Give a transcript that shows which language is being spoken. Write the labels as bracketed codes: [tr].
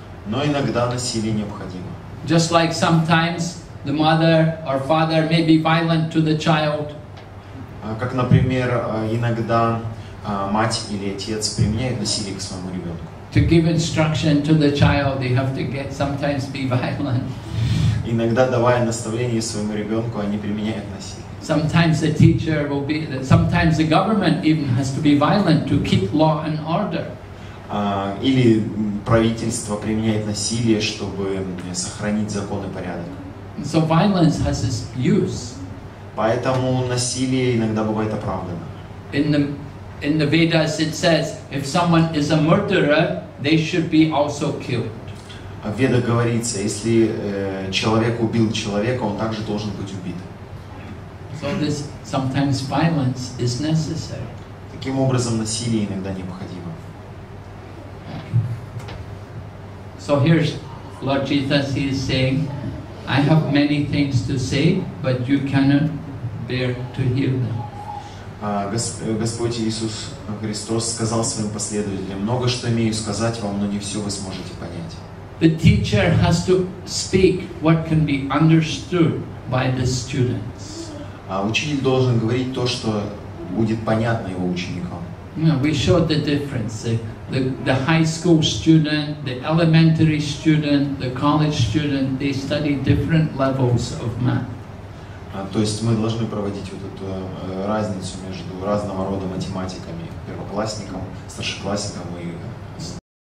[ru] Но иногда насилие необходимо. [en] Just like sometimes the mother or father may be violent to the child. [ru] Как, например, иногда мать или отец применяют насилие к своему ребенку. [en] To give instruction to the child, they have to get sometimes be violent. [ru] Иногда, давая наставление своему ребенку, они применяют насилие. [en] Sometimes the teacher will be, sometimes the government even has to be violent to keep law and order. [ru] Или правительство применяет насилие, чтобы сохранить закон и порядок. [en] So violence has its use. [ru] Поэтому насилие иногда бывает оправдано. [en] In the Vedas it says, if someone is a murderer, they should be also killed. [ru] В Ведах говорится, если человек убил человека, он также должен быть убит. [en] So this sometimes violence is necessary. [ru] Таким образом, насилие иногда необходимо. [en] So here's Lord Jesus, he is saying, I have many things to say, but you cannot there to hear them. [ru] Господь Иисус Христос сказал своим последователям: много что имею сказать вам, но не все вы сможете понять. [en] The teacher has to speak what can be understood by the students. [ru] Учитель должен говорить то, что будет понятно его ученикам. [en] We showed the difference. The high school student, the elementary student, the college student, they study different levels of math. [ru] То есть мы должны проводить вот эту разницу между разного рода математиками, первоклассником, старшеклассником и